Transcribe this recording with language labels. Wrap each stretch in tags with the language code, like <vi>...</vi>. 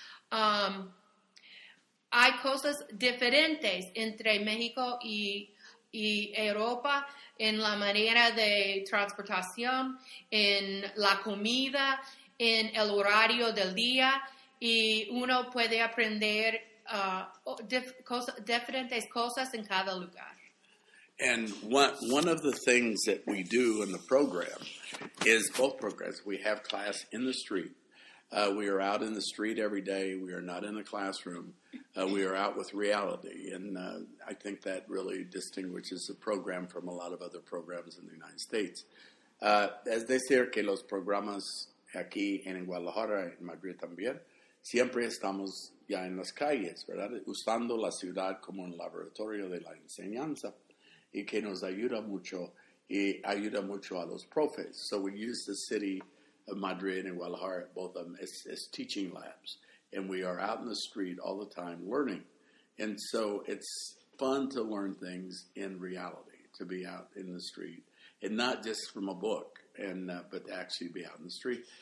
<es>Hay cosas diferentes entre México y Europa en la manera de transportación, en la comida, en el horario del día, y uno puede aprender diferentes cosas en cada lugar.</es> <en>And one of the things that we do in the program is both programs. We have class in the street. We are out in the street every day. We are not in the classroom. We are out with reality. And I think that really distinguishes the program from a lot of other programs in the United States.</en> <es>Es decir que los programas aquí en Guadalajara, en Madrid también, siempre estamos ya en las calles, ¿verdad? Usando la ciudad como un laboratorio de la enseñanza. Y que nos ayuda mucho, y ayuda mucho a los profes.</es> <en>So we use the city of Madrid and Guadalajara, both of them, as teaching labs. And we are out in the street all the time learning. And so it's fun to learn things in reality, to be out in the street. And not just from a book, but to actually be out in the street.</en>